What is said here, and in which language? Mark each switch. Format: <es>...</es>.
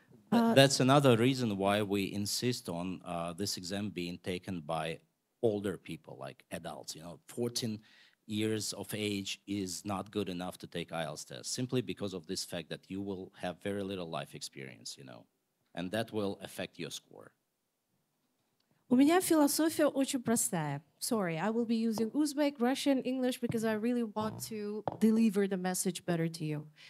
<en>That's another reason why we insist on this exam being taken by older people, like adults, you know, 14 years of age is not good enough to take IELTS test, simply because of this fact that you will have very little life experience, you know, and that will affect your score.</en> <ru>У меня философия очень простая.</ru> <en>Sorry, I will be using Uzbek, Russian, English, because I really want to deliver the message better to you.</en>